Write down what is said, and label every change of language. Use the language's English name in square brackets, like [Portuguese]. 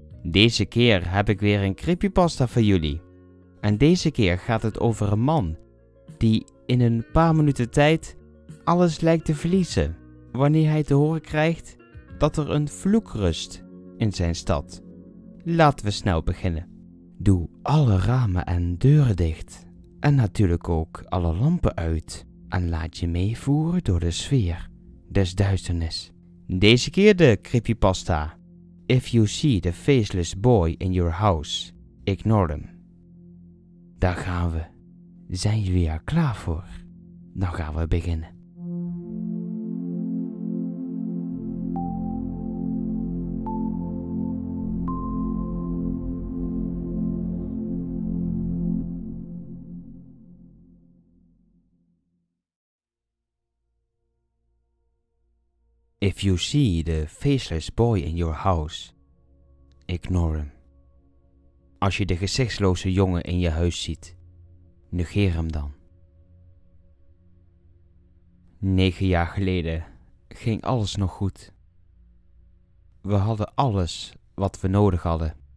[Dutch] Deze keer heb ik weer een creepypasta voor jullie. En deze keer gaat het over een man die in een paar minuten tijd alles lijkt te verliezen wanneer hij te horen krijgt dat er een vloek rust in zijn stad. Laten we snel beginnen. Doe alle ramen en deuren dicht en natuurlijk ook alle lampen uit en laat je meevoeren door de sfeer des duisternis. Deze keer de creepypasta. [English] If you see the faceless boy in your house, ignore him. [Dutch] Daar gaan we. Zijn jullie er klaar voor? Dan gaan we beginnen. [English] If you see the faceless boy in your house, ignore him. [Dutch] Als je de gezichtsloze jongen in je huis ziet, negeer hem dan. 9 jaar geleden ging alles nog goed. We hadden alles wat we nodig hadden.